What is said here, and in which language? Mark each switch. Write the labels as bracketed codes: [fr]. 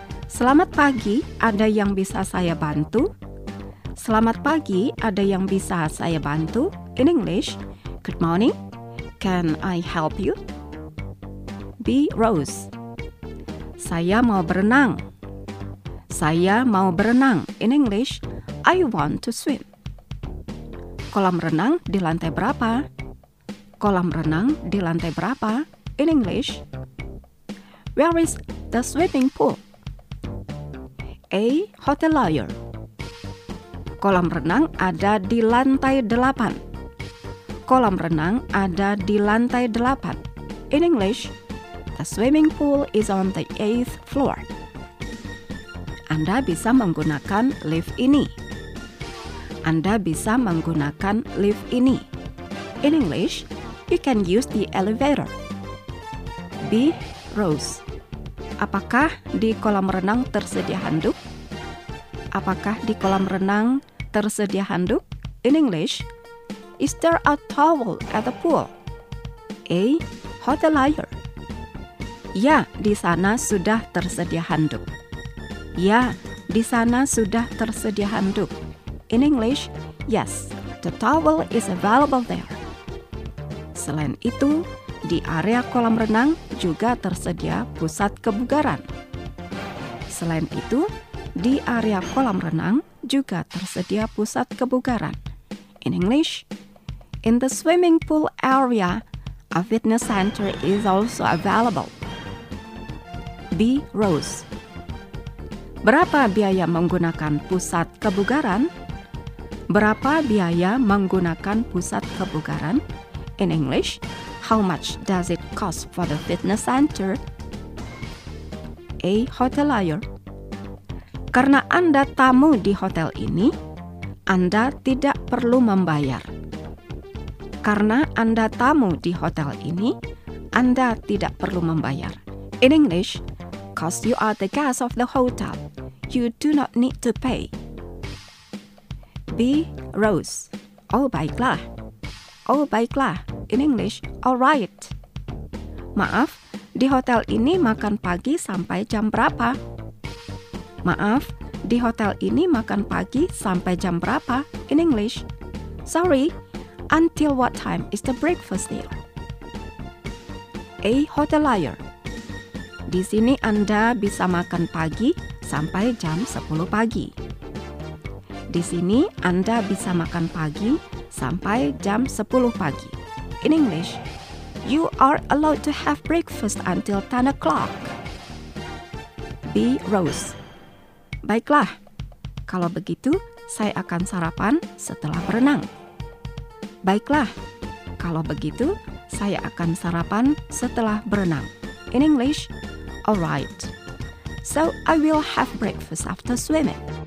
[id] Selamat pagi, ada yang bisa saya bantu? Selamat pagi, ada yang bisa saya bantu? [en] In English, good morning, can I help you? Be Rose. [id] Saya mau berenang. Saya mau berenang. [en] In English, I want to swim. [id] Kolam renang di lantai berapa? Kolam renang di lantai berapa? [en] In English, where is the swimming pool? [id] A. Hotel Lawyer. Kolam renang ada di lantai 8. Kolam renang ada di lantai 8. [en] In English, the swimming pool is on the 8th floor. [id] Anda bisa menggunakan lift ini. Anda bisa menggunakan lift ini. [en] In English, you can use the elevator. [id] B. Rose. Apakah di kolam renang tersedia handuk? Apakah di kolam renang tersedia handuk? [en] In English, is there a towel at the pool? [id] A. Hotel Lawyer. Ya, di sana sudah tersedia handuk. Ya, di sana sudah tersedia handuk. [en] In English, yes, the towel is available there. [id] Selain itu, di area kolam renang juga tersedia pusat kebugaran. Selain itu, di area kolam renang juga tersedia pusat kebugaran. [en] In English, in the swimming pool area, a fitness center is also available. B. Rose. [id] Berapa biaya menggunakan pusat kebugaran? Berapa biaya menggunakan pusat kebugaran? [en] In English, how much does it cost for the fitness center? [id] A. Hotel Lawyer. Karena Anda tamu di hotel ini, Anda tidak perlu membayar. Karena Anda tamu di hotel ini, Anda tidak perlu membayar. [en] In English, because you are the guest of the hotel, you do not need to pay. [id] B. Rose. Oh, baiklah. Oh, baiklah. [en] In English, all right. [id] Maaf, di hotel ini makan pagi sampai jam berapa? Maaf, di hotel ini makan pagi sampai jam berapa? [en] In English, sorry, until what time is the breakfast there? [id] A. Hotel Lawyer. Di sini Anda bisa makan pagi sampai jam 10 pagi. Di sini Anda bisa makan pagi sampai jam 10 pagi. [en] In English, you are allowed to have breakfast until 10 o'clock. B. Rose. [id] Baiklah, kalau begitu saya akan sarapan setelah berenang. Baiklah, kalau begitu saya akan sarapan setelah berenang. [en] In English, alright. So I will have breakfast after swimming.